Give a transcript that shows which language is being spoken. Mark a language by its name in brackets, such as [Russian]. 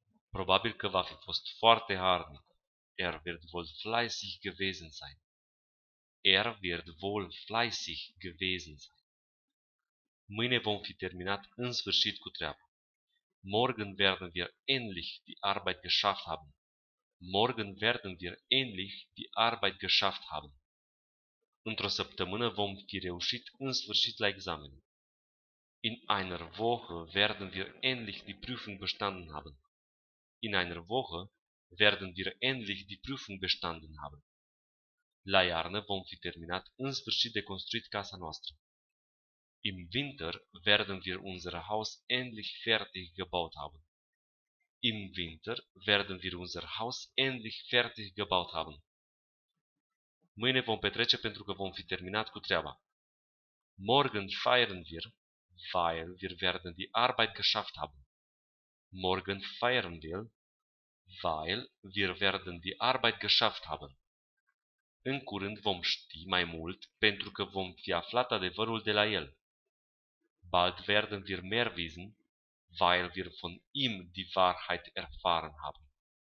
[Romanian] Probabil că va fi fost foarte harnic. [German] Wird wohl fleißig gewesen sein. Wird wohl fleißig gewesen sein. [Romanian] Mâine vom fi terminat în sfârșit cu treaba. [German] Morgen werden wir endlich die Arbeit geschafft haben. Morgen werden wir endlich die Arbeit geschafft haben. [Romanian] Într-o săptămână vom fi reușit în sfârșit la examen. [German] In einer Woche werden wir endlich die Prüfung bestanden haben. In einer Woche werden wir endlich die Prüfung bestanden haben. [Romanian] La iarnă vom fi terminat în sfârșit de construit casa noastră. [German] Im Winter werden wir unser Haus endlich fertig gebaut haben. Im Winter werden wir unser Haus endlich fertig gebaut haben. [Romanian] Mâine vom petrece pentru că vom fi terminat cu treaba. [German] Morgen feiern wir, weil wir werden die Arbeit geschafft haben. Morgen feiern wir, weil wir werden die Arbeit geschafft haben. [Romanian] În curând vom ști mai mult pentru că vom fi aflat adevărul de la el. [German] Bald werden wir mehr wissen, weil wir von ihm die Wahrheit erfahren haben.